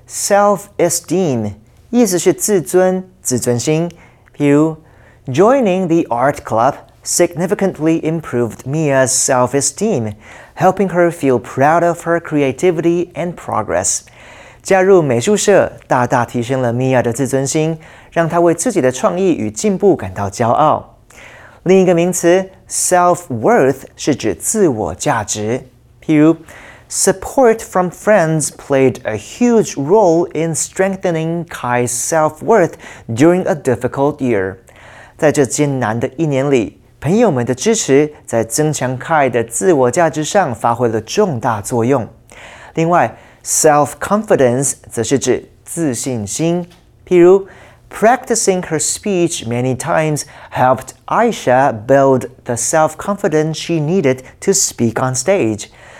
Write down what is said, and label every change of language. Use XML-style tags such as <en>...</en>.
<en>Self-esteem,</en> <zh>意思是自尊,自尊心, 譬如,</zh> <en>joining the art club significantly improved Mia's self-esteem, helping her feel proud of her creativity and progress.</en> <zh>加入美术社大大提升了Mia的自尊心, 让她为自己的创意与进步感到骄傲。另一个名词,</zh> <en>self-worth</en> <zh>是指自我价值, 譬如,</zh> <en>support from friends played a huge role in strengthening Kai's self-worth during a difficult year.</en> <zh>在这艰难的一年里, 朋友们的支持在增强Kai的自我价值上发挥了重大作用。另外,</zh> <en>self-confidence</en> <zh>则是指自信心, 譬如,</zh> <en>practicing her speech many times helped Aisha build the self-confidence she needed to speak on stage.</en>